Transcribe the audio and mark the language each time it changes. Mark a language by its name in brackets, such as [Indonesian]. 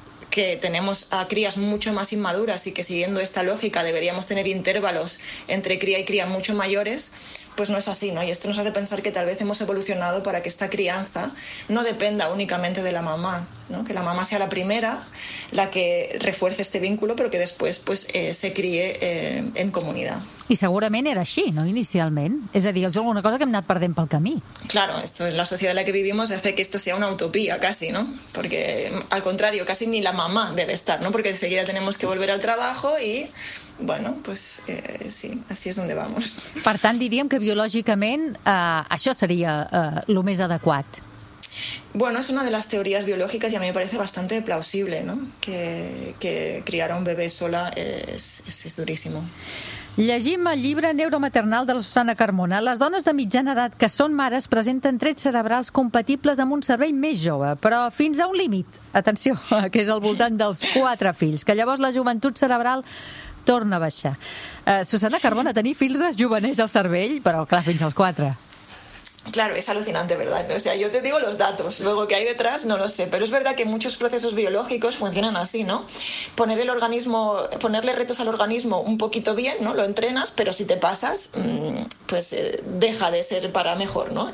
[Spanish] que tenemos a crías mucho más inmaduras y que siguiendo esta lógica deberíamos tener intervalos entre cría y cría mucho mayores, pues no es así, ¿no? Y esto nos hace pensar que tal vez hemos evolucionado para que esta crianza no dependa únicamente de la mamá, ¿no? Que la mamá sea la primera, la que refuerce este vínculo, pero que después pues, se críe en comunidad. [Catalan] I segurament era així, no, inicialment? És a dir, és alguna cosa que hem anat perdent pel camí. [Spanish] Claro, esto en la sociedad en la que vivimos hace que esto sea una utopía casi, ¿no? Porque, al contrario, casi ni la mamá debe estar, ¿no? Porque enseguida tenemos que volver al trabajo y, bueno, pues sí, así es donde vamos. [Catalan] Per tant, diríem que biològicament això seria lo més adequat. [Spanish] Bueno, es una de las teorías biológicas y a mí me parece bastante plausible, ¿no? Que criar a un bebé sola es durísimo. [Catalan] Llegim el llibre Neuromaternal de la Susana Carmona. Les dones de mitjana edat que són mares presenten trets cerebrals compatibles amb un cervell més jove, però fins a un límit, atenció, que és al voltant dels 4 fills, que llavors la joventut cerebral torna a baixar. Susana Carmona, tenir fills rejuveneix el cervell, però clar, fins als 4. [Spanish] Claro, es alucinante, ¿verdad? O sea, yo te digo los datos, luego que hay detrás no lo sé, pero es verdad que muchos procesos biológicos funcionan así, ¿no? Poner el organismo, ponerle retos al organismo un poquito bien, ¿no? Lo entrenas, pero si te pasas, pues deja de ser para mejor, ¿no?